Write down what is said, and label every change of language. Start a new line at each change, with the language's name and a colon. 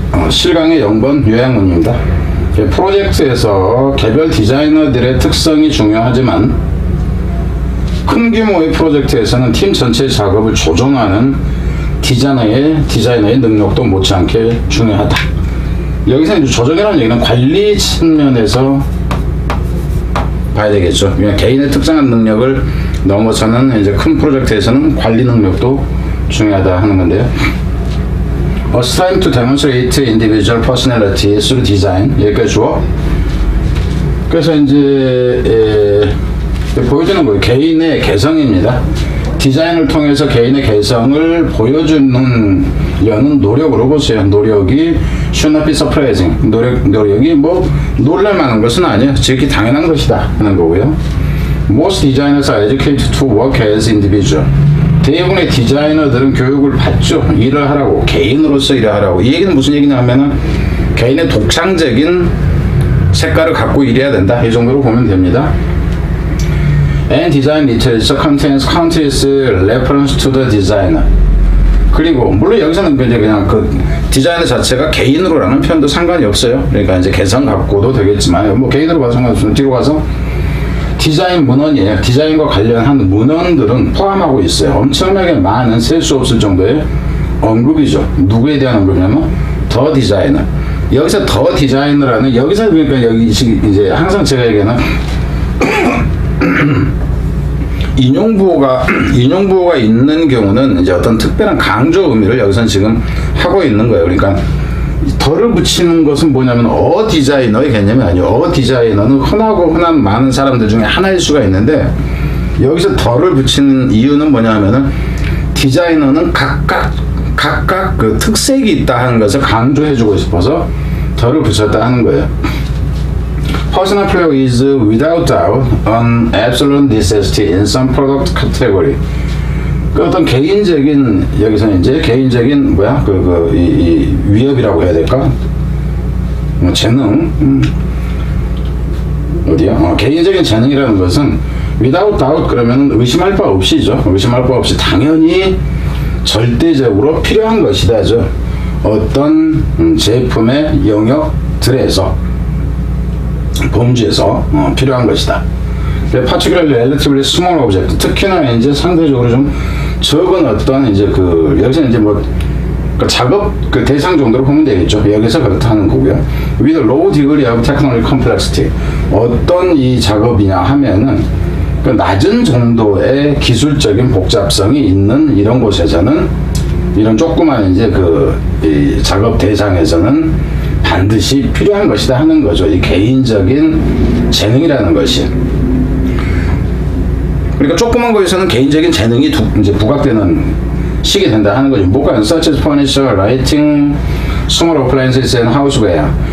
Korean: 실강의 0번 요양문입니다. 프로젝트에서 개별 디자이너들의 특성이 중요하지만 큰 규모의 프로젝트에서는 팀 전체의 작업을 조정하는 디자이너의 능력도 못지않게 중요하다. 여기서 이제 조정이라는 얘기는 관리 측면에서 봐야 되겠죠. 그냥 개인의 특정한 능력을 넘어서는 이제 큰 프로젝트에서는 관리 능력도 중요하다 하는 건데요.
English: Assign to demonstrate individual personality through design.
Korean: 여기까지 주어. 그래서 이제 보여주는 거예요. 개인의 개성입니다. 디자인을 통해서 개인의 개성을 보여주는 여는 노력으로 보세요.
English: 노력이 should not be surprising.
Korean: 노력이 뭐 놀랄만한 것은 아니에요. 지극히 당연한 것이다 하는 거고요.
English: Most designers are educated to work as individual.
Korean: 대부분의 디자이너들은 교육을 받죠. 일을 하라고, 개인으로서 일을 하라고. 이 얘기는 무슨 얘기냐면은 개인의 독창적인 색깔을 갖고 일해야 된다. 이 정도로 보면 됩니다.
English: And design literature contains countless reference to the designer.
Korean: 그리고 물론 여기서는 그냥 그 디자이너 자체가 개인으로라는 표현도 상관이 없어요. 그러니까 이제 개성 갖고도 되겠지만 뭐 개인으로 봐서 상관없어요. 뒤로 가서 디자인 문헌이에요. 디자인과 관련한 문헌들은 포함하고 있어요. 엄청나게 많은, 셀 수 없을 정도의 언급이죠. 누구에 대한 언급이냐면 더 디자이너. 여기서 더 디자이너라는, 여기서 그러니까 여기 이제 항상 제가 얘기하는 인용부호가 있는 경우는 이제 어떤 특별한 강조 의미를 여기서는 지금 하고 있는 거예요. 그러니까 덜을 붙이는 것은 뭐냐면 어 디자이너의 개념이 아니에요. 어 디자이너는 흔하고 흔한 많은 사람들 중에 하나일 수가 있는데 여기서 덜을 붙이는 이유는 뭐냐면은 디자이너는 각각 그 특색이 있다 하는 것을 강조해주고 싶어서 덜을 붙였다 하는 거예요.
English: Personal flair is without doubt an absolute necessity in some product category.
Korean: 그 어떤 개인적인, 여기서 이제 개인적인 뭐야 그 이 위협이라고 해야 될까? 뭐 재능 어디야? 개인적인 재능이라는 것은
English: without doubt
Korean: 그러면 의심할 바 없이죠. 의심할 바 없이 당연히 절대적으로 필요한 것이다죠. 어떤 제품의 영역들에서 범주에서 필요한 것이다.
English: Particularly relatively small object.
Korean: 특히나 이제 상대적으로 좀 적은 어떤 이제 그 여기서 이제 뭐 그 작업 그 대상 정도로 보면 되겠죠. 여기서 그렇다는 거고요.
English: With low degree of technology complexity.
Korean: 어떤 이 작업이냐 하면은 그 낮은 정도의 기술적인 복잡성이 있는 이런 곳에서는 이런 조그만 이제 그 이 작업 대상에서는 반드시 필요한 것이다 하는 거죠. 이 개인적인 재능이라는 것이. 그러니까 조그만 거에서는 개인적인 재능이 이제 부각되는 시기 된다 하는 거죠.
English: 뭐가 such as furniture, lighting, small appliances and houseware.